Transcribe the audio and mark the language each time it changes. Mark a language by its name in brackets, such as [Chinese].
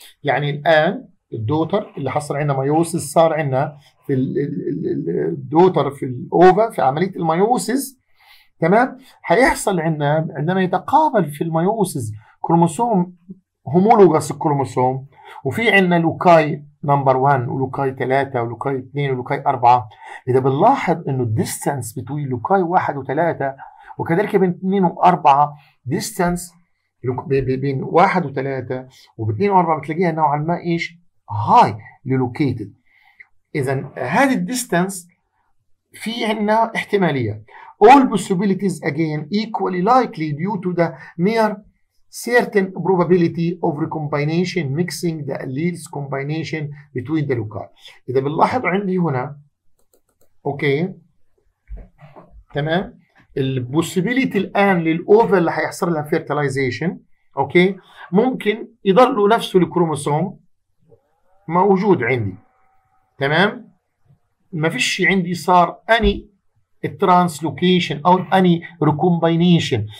[Arabic] يعني الان الدوتر اللي حصل عندنا ميوسيس، صار عندنا في الدوتر في الاوفر في عمليه الميوسيس، تمام، هيحصل عندنا عندما يتقابل في الميوسيس كروموسوم هومولوجس الكروموسوم وفي عندنا لوكاي نمبر 1 ولوكاي 3 ولوكاي 2 ولوكاي 4، اذا بنلاحظ انه الديستانس بتوين لوكاي 1 و3 وكذلك بين 2 و4 ديستانس بين 1 و3 وب2 و4 بتلاقيها نوعا ما ايش هاي للوكيتد. اذا هذه الديستانس في عندنا احتماليه [English] all possibilities again equally likely due to the near certain probability of recombination mixing the alleles combination between the locale. [Arabic] اذا بنلاحظ عندي هنا اوكي تمام البوسيبيليتي الان للاوفر اللي هيحصل لها fertilization، اوكي، ممكن يضل نفسه الكروموسوم موجود عندي، تمام، ما فيش عندي صار اني الترانسلوكيشن او اني ريكومباينيشن.